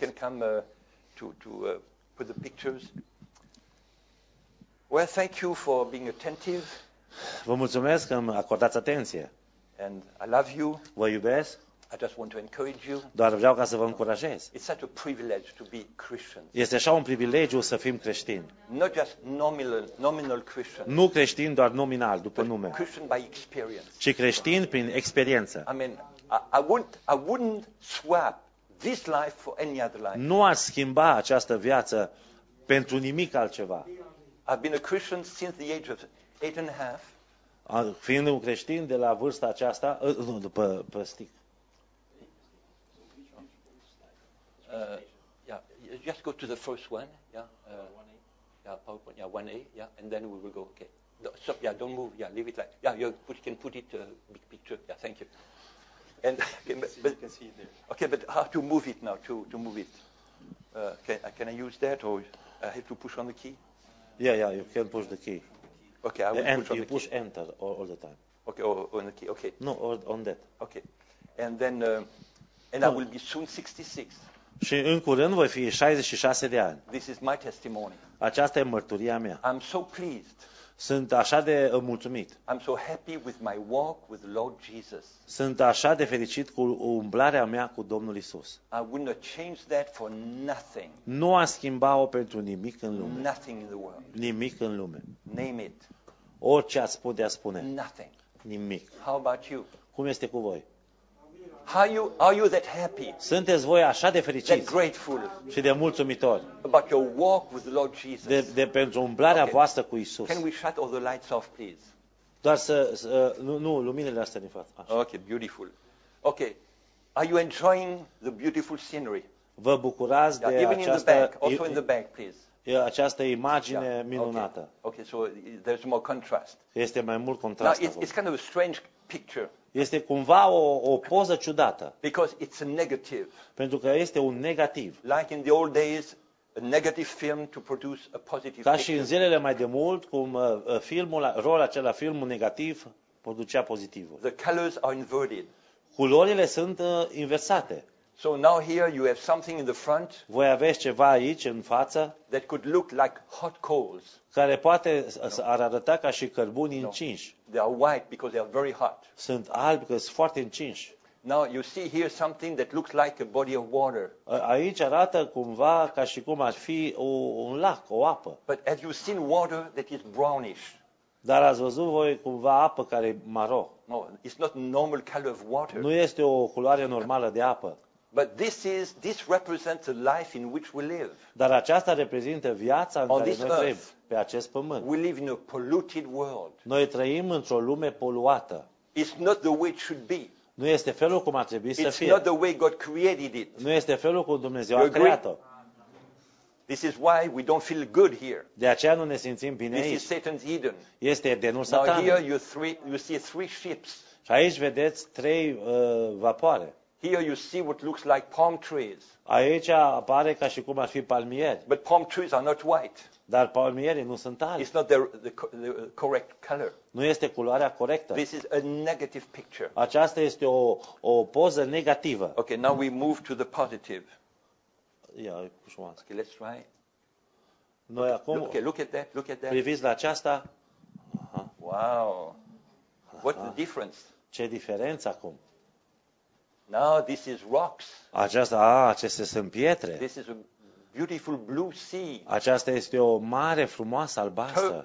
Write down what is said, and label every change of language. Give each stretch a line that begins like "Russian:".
English: Can come to put the pictures. Well, thank you for being attentive.
Romanian: Vă mulțumesc că mi-ați acordat atenție.
English: And I love you.
Romanian: Vă iubesc.
English: I just want to encourage you.
Romanian: Doar vreau ca să vă încurajez.
English: It's such a privilege to be Christian.
Romanian: Este așa un privilegiu să fim creștini.
English: Not just nominal Christian.
Romanian: Nu creștin doar nominal după nume.
English: Christian by experience.
Romanian: Ci creștin prin experiență.
English: Amen. I wouldn't swap this life for any other life.
Romanian: Nu aș schimba această viață pentru nimic altceva.
English: I've been a Christian since the age of 8 and a half.
Romanian: Fiind un creștin de la vârsta aceasta, nu, după plastic.
English: Yeah, just go to the first one, yeah. PowerPoint, yeah, 1A, yeah, and then we will go, okay. Stop, yeah, don't move, yeah, leave it like, yeah, you can put it big picture, yeah, thank you. And but how to move it now? To move it? Can I use that or I have to push on the key? Yeah, you can push the key. Okay, I will enter, push on the key. You push enter all the time. Okay, or on the key. Okay. No, or on that. Okay, and then and no. I will be soon 66.
Romanian: Și în curând voi fi 66 de ani.
English: This is my testimony.
Romanian: Aceasta e mărturia mea.
English: I'm so pleased.
Romanian: Sunt așa de mulțumit.
English: I'm so happy with my walk with Lord Jesus.
Romanian: Sunt așa de fericit cu umblarea mea cu Domnul Isus.
English: I would not change that for nothing.
Romanian: Nu aș schimba-o pentru nimic în lume.
English: Nothing in the world.
Romanian: Nimic în lume.
English: Name it.
Romanian: orice ați putea spune.
English: Nothing.
Romanian: Nimic.
English: How about you?
Romanian: Cum este cu voi?
English: Are you that happy?
Romanian: Sunteți voi așa de fericiți?
English: That grateful.
Romanian: Și de mulțumitori.
English: About your walk with the Lord Jesus.
Romanian: De pentru umblarea voastră cu Isus.
English: Can we shut all the lights off, please?
Romanian: Doar să nu luminile astea din față. Așa.
English: Okay, beautiful. Okay. Are you enjoying the beautiful scenery?
Romanian: Vă bucurați de această
English: also in the back, please.
Romanian: Această imagine minunată.
English: Okay, so there's more contrast.
Romanian: Este mai mult contrast.
English: Now, it's kind of a strange picture.
Romanian: Este cumva o poză ciudată.
English: Because it's a negative.
Romanian: Pentru că este un negativ.
English: Like in the old days, a negative film to produce a positive.
Romanian: Ca și în zilele mai de mult, cum filmul, rolul acela filmul negativ producea pozitivul.
English: The colors are inverted.
Romanian: Culorile sunt inversate.
English: So now here you have something in the front.
Romanian: Voi aveți ceva aici în față.
English: That could look like hot coals.
Romanian: Care poate ar arăta ca și cărbuni încinși.
English: They are white because they are very hot.
Romanian: Sunt albi că sunt foarte încinși.
English: Now you see here something that looks like a body of water.
Romanian: Aici arată cumva ca și cum ar fi un lac, o apă.
English: But have you seen water that is brownish?
Romanian: Dar ați văzut voi cumva apă care e maro?
English: No, it's not normal color of water.
Romanian: Nu este o culoare normală de apă.
English: But this represents the life in which we live.
Romanian: Dar aceasta reprezintă viața în care noi trăim, pe acest pământ.
English: We live in a polluted world.
Romanian: Noi trăim într-o lume poluată.
English: It's not the way it should be.
Romanian: Nu este felul cum ar trebui să fie.
English: It's not the way God created it.
Romanian: Nu este felul cum Dumnezeu a creat-o.
English: This is why we don't feel good here.
Romanian: De aceea nu ne simțim bine aici.
English: This is Satan's Eden.
Romanian: Este Edenul Satan.
English: Now here you see three ships.
Romanian: Și aici vedeți trei vapoare.
English: Here you see what looks like palm trees.
Romanian: Aici apare ca și cum ar fi palmieri.
English: But palm trees are not white.
Romanian: Dar palmierii nu sunt albi.
English: It's not the correct color.
Romanian: Nu este culoarea corectă.
English: This is a negative picture.
Romanian: Aceasta este o poză negativă.
English: Okay, now we move to the positive. Yeah, okay, let's try.
Romanian: Noi acum.
English: Okay, look at that.
Romanian: Priviți la aceasta.
English: Wow. What's the difference?
Romanian: Ce diferență acum?
English: Now this is rocks.
Romanian: Aceste sunt pietre.
English: This is a beautiful blue sea.
Romanian: Aceasta este o mare frumoasă albastră.